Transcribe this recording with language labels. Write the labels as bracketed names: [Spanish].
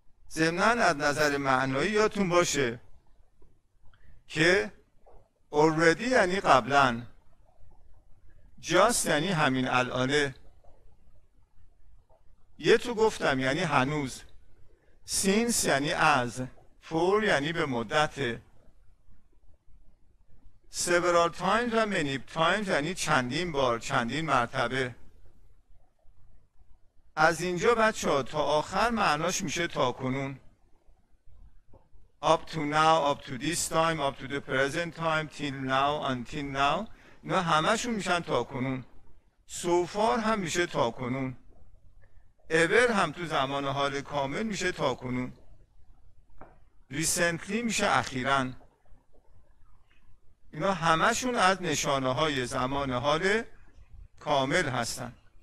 [Persian] ضمناً از نظر معنایی یادتون باشه که already یعنی قبلن، just یعنی همین الانه، یه تو گفتم یعنی هنوز، since یعنی از، for یعنی به مدت، several times و many times یعنی چندین بار، چندین مرتبه. از اینجا بچه ها تا آخر معناش میشه تا کنون. [English] Up to now, up to this time, up to the present time, till now, until now. [Persian] اینا همه شون میشن تا کنون. So far هم میشه تا کنون. Ever هم تو زمان حال کامل میشه تا کنون. Recently میشه اخیراً. اینا همه شون از نشانه های زمان حال کامل هستن.